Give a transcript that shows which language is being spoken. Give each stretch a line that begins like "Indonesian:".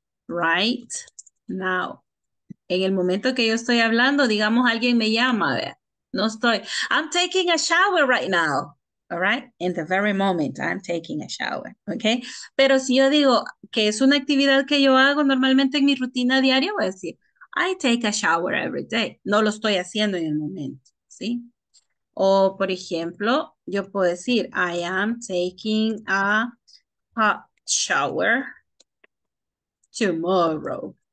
English: Right now.
Spanish: En el momento que yo estoy hablando, digamos, alguien me llama, ¿ver? No estoy,
English: I'm taking a shower right now, all right? In the very moment, I'm taking a shower, ¿ok?
Spanish: Pero si yo digo que es una actividad que yo hago normalmente en mi rutina diaria, voy a decir,
English: I take a shower every day.
Spanish: No lo estoy haciendo en el momento, ¿sí? O, por ejemplo, yo puedo decir,
English: I am taking a hot shower tomorrow.